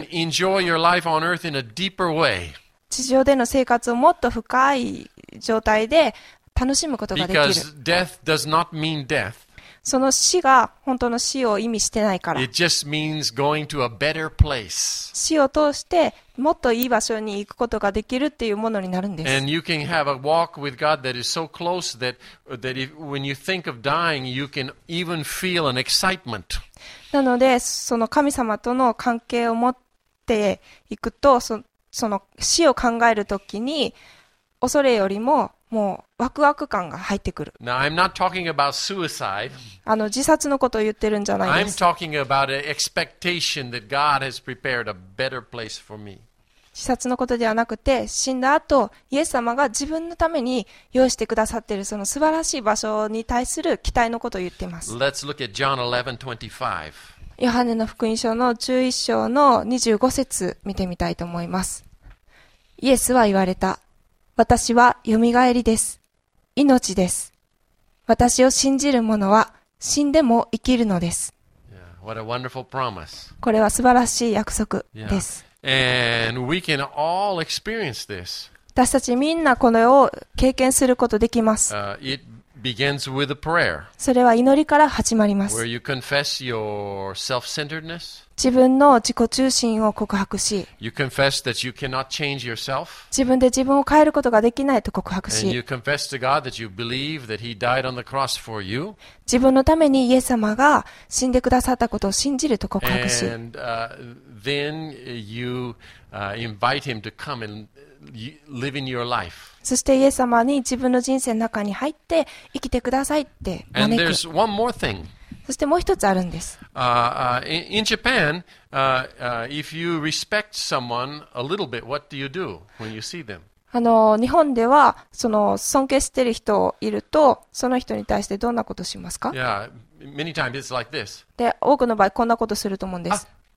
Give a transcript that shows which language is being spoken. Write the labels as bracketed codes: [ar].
[en] You can enjoy your life on earth in a deeper way. [ja] 地上での生活をもっと深い状態で楽しむことができる。 [en] Because death does not mean death. [ja] その死が本当の死を意味してないから。 [en] It just means going to a better place. [ja] 死を通してもっといい場所に行くことができるっていうものになるんです。 [en] And you can have a walk with God that is so close that, that if, when you think of dying, you can even feel an excitement. [ja] なので、その神様との関係を持っていくと、その死を考えるときに、恐れよりも、もうワクワク感が入ってくる。 [en] Now, I'm not talking about suicide. [ja] 自殺のことを言ってるんじゃないです。 [en] I'm talking about an expectation that God has prepared a better place for me. [ja] 自殺のことではなくて、死んだ後、イエス様が自分のために用意してくださっている、その素晴らしい場所に対する期待のことを言っています。 [en] Let's look at John 11:25. [ja] ヨハネの福音書の11章の25節見てみたいと思います。イエスは言われた。私はよみがえりです。命です。私を信じる者は死んでも生きるのです。 [en] Yeah. What a wonderful promise. [ja] これは素晴らしい約束です。 Yeah. [en] And we can all experience this. [ja] 私たちみんなこれを経験することできます。 [en] Begins with a prayer. [ja] それは祈りから始まります。 [en] Where you confess your self-centeredness. [ja] 自分の自己中心を告白し。 [en] You confess that you cannot change yourself. [ja] 自分で自分を変えることができないと告白し。 [en] And you confess to God that you believe that He died on the cross for you. [ja] 自分のためにイエス様が死んでくださったことを信じると告白し。 [en] And then you invite Him to come and live in your life. [ja] そしてイエス様に自分の人生の中に入って生きてくださいって招く。 [en] And there's one more thing. [ja] そしてもう一つあるんです。 [en] In Japan, if you respect someone a little bit, what do you do when you see them? [ja] 日本ではその尊敬してる人いるとその人に対してどんなことしますか？ [en] Yeah, many times it's like this. [ja] で、多くの場合こんなことすると思うんです。